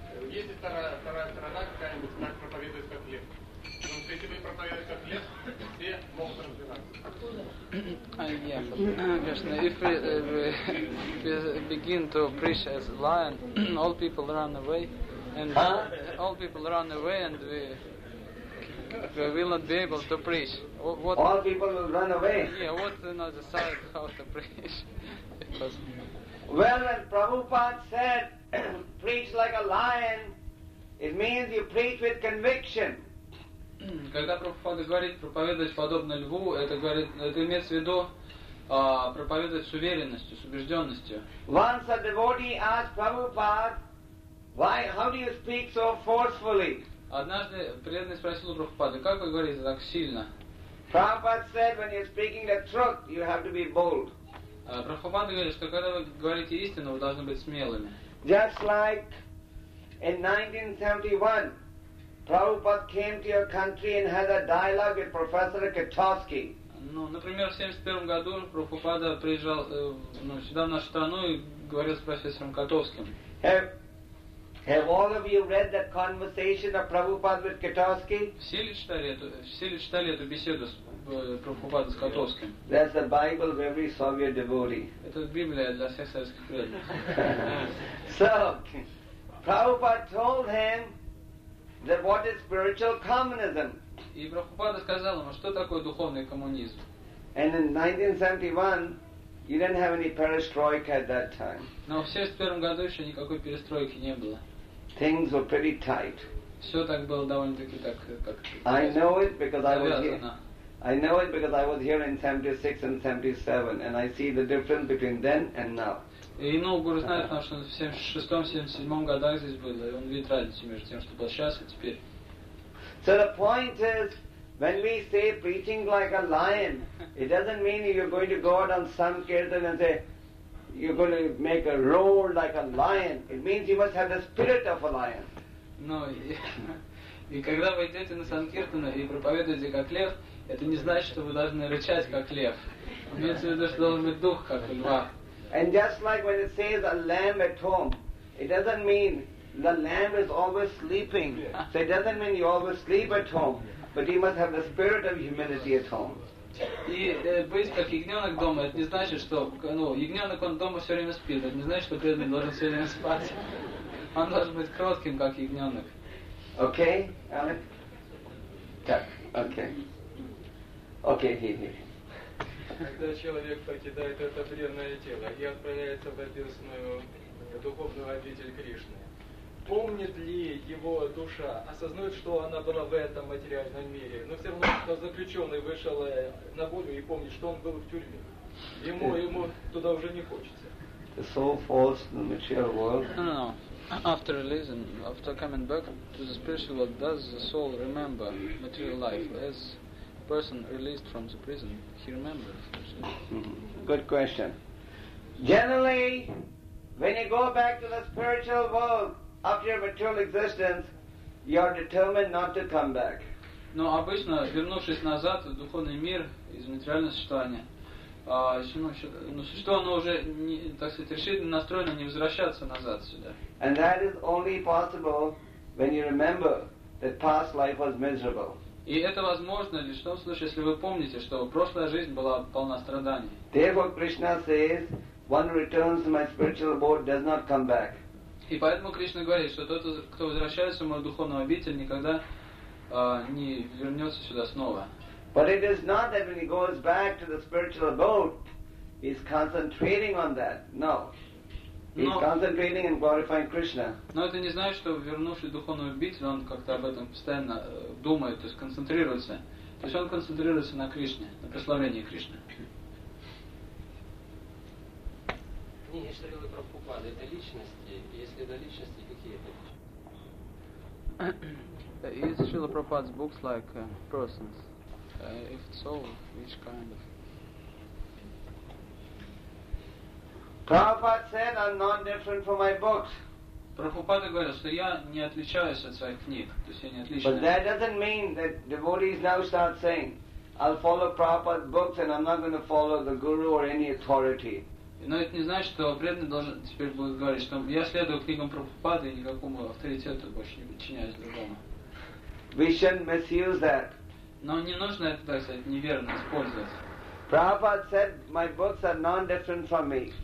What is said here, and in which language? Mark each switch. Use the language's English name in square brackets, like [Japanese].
[Russian] Если вторая сторона какая-нибудь так проповедует как лет, то если мы проповедуем как лет, все могут развиваться. [English] Krishna, if we begin to preach as lion, all people run away, and huh? All people run away, and we will not be able to preach. What? All people will run away. Yeah. What another side how to preach? Because when Prabhupada said preach like a lion, it means you preach with conviction. [Russian] Когда Прабхупада говорит проповедовать подобно льву, это имеет в виду проповедовать с уверенностью, с убежденностью. [English] Once a devotee asked Prabhupada, why, how do you speak so forcefully? [Russian] Однажды преданный спросил у Прабхупады, как вы говорите так сильно? [English] Prabhupada said, when you're speaking the truth, you have to be bold. [Russian] Прабхупада говорит, что когда вы говорите истину, вы должны быть смелыми. [English] Just like in 1971. Prabhupada came to your country and had a dialogue with Professor Katovsky. [Russian] Ну, например, в 71 году Прабхупада приезжал сюда в нашу страну и говорил с профессором Катовским. [English] Have all of you read the conversation of Prabhupada with Katovsky? [Russian] Все ли читали эту беседу с Прабхупада с Катовским? [English] That's the Bible of every Soviet devotee. [Russian] Это Библия для всех советских преданных. [English] So, Prabhupada told him. That what is spiritual communism? [Russian] И Прабхупада сказал ему, что такое духовный коммунизм. [English] And in 1971, you didn't have any perestroika at that time. [Russian] Но в 71 году еще никакой перестройки не было. [English] Things were pretty tight. [Russian] Все так было довольно-таки так как. [English] I know it because I was here. I know it because I was here in 76 and 77, and I see the difference between then and now. [Russian] И Гуру знает, потому что он в 76-77 годах здесь был, и он видит разницу между тем, что было сейчас и теперь. [English] So the point is, when we say preaching like a lion, it doesn't mean you're going to go out on Sankirtan and say, you're going to make a roar like a lion. It means you must have the spirit of a lion. [Russian] Но и когда вы идете на Санкиртана и проповедуете как лев, это не значит, что вы должны рычать как лев. Имеется в виду, что должен быть дух, как льва. [English] And just like when it says a lamb at home, it doesn't mean the lamb is always sleeping. So it doesn't mean you always sleep at home, but you must have the spirit of humility at home. [Russian] И быть как ягненок дома, это не значит, что ягненок он дома все время спит. Это не значит, что преданный должен все время спать. Он должен быть кротким, как ягненок. [English] Okay, Alec? [Russian] Так, [English] okay. Okay, here. [Russian] Когда человек покидает это бренное тело и отправляется в обесную духовную обитель Кришны, помнит ли его душа, осознает, что она была в этом материальном мире, но все равно, что заключенный вышел на волю и помнит, что он был в тюрьме, ему туда уже не хочется. [English] The soul falls in the material world. No. After releasing, after coming back to the spiritual world, does the soul remember material life? As person released from the prison, he remembers. Good question. Generally, when you go back to the spiritual world after your material existence, you are determined not to come back. [Russian] Но обычно, вернувшись назад в духовный мир из материального существования, существо оно уже, так сказать, решительно настроено не возвращаться назад сюда. [English] And that is only possible when you remember that past life was miserable. [Russian] И это возможно лишь в том случае, если вы помните, что прошлая жизнь была полна страданий. [English] Therefore Krishna says, one who returns to my spiritual abode does not come back. [Russian] И поэтому Кришна говорит, что тот, кто возвращается в мою духовную обитель, никогда не вернется сюда снова. [English] But it is not that when he goes back to the spiritual abode, he's concentrating on that. No. He's concentrating and glorifying Krishna. [Russian] Но это не значит, что вернувшись в духовную обитель, он как-то об этом постоянно думает, то есть концентрируется. То есть он концентрируется на Кришне, на прославлении Кришны. Книги Шрилы Прабхупады — это личности? Если это личности, какие это? [English] Is Шрила Прабхупада's books like persons? If it's all, which kind of? Prabhupada said, I'm not different from my books. [Russian] Прабхупада говорил, что я не отличаюсь от своих книг. То есть я не отличаюсь. [English] But that doesn't mean that devotees now start saying, I'll follow Prabhupada's books and I'm not going to follow the guru or any authority. [Russian] Но это не значит, что преданный должен теперь будет говорить, что я следую книгам Прабхупады и никакому авторитету больше не подчиняюсь другому. [English] We shouldn't misuse that. [Russian] Но не нужно это, так сказать, неверно использовать. [English] Prabhupada said, my books are non-different from me.